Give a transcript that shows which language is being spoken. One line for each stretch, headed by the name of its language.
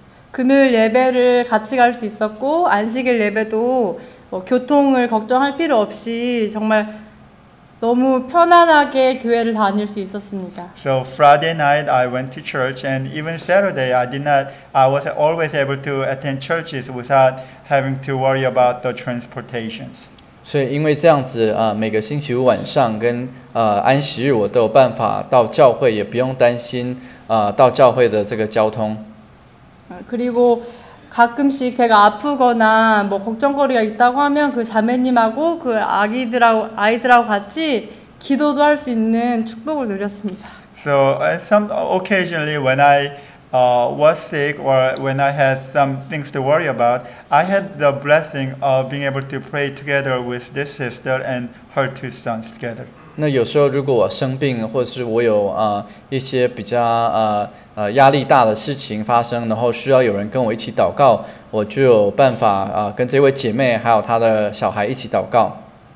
Korean: 금요일 예배를 같이 갈 수 있었고 안식일 예배도 교통을 걱정할 필요 없이 정말 너무 편안하게 교회를 다닐 수 있었습니다.
English: So Friday night I went to church and even Saturday I was always able to attend churches without having to worry about the transportations.
Chinese: 所以因为这样子，每个星期五晚上跟安息日我都有办法到教会，也不用担心到教会的这个交通。
Korean: 그리고 가끔씩 제가 아프거나 뭐 걱정거리가 있다고 하면 그 자매님하고 그 아이들하고 같이 기도도 할 수 있는 축복을 누렸습니다.
English: So some occasionally when I was sick or when I had some things to worry about, I had the blessing of being able to pray together with this sister and her two sons together.
Chinese: 那有时候如果我生病，或者是我有一些比较压力大的事情发生，然后需要有人跟我一起祷告，我就有办法跟这位姐妹还有她的小孩一起祷告。